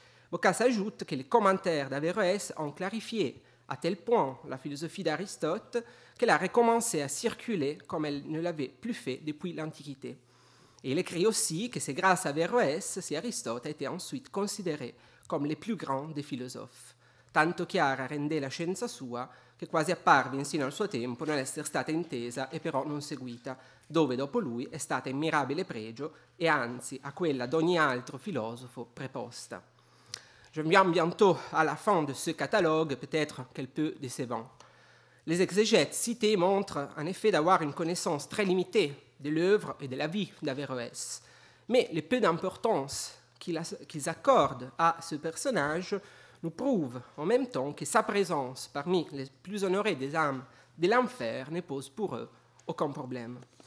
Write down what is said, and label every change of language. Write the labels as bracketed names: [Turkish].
[French] Boccace ajoute que les commentaires d'Averroès ont clarifié à tel point la philosophie d'Aristote qu'elle a recommencé à circuler comme elle ne l'avait plus fait depuis l'Antiquité. Et il écrit aussi que c'est grâce à Averroès si Aristote a été ensuite considéré comme le plus grand des philosophes. [Italian] Tanto chiara rende la scienza sua che quasi apparve insino al suo tempo non essere stata intesa e però non seguita, dove dopo lui è stata in mirabile pregio e anzi a quella d'ogni altro filosofo preposta. [French] Je viens bientôt à la fin de ce catalogue, peut-être quelque peu décevant. Les exégètes cités montrent en effet d'avoir une connaissance très limitée de l'œuvre et de la vie d'Averroès, mais le peu d'importance qu'ils accordent à ce personnage nous prouve en même temps que sa présence parmi les plus honorées des âmes de l'enfer ne pose pour eux aucun problème.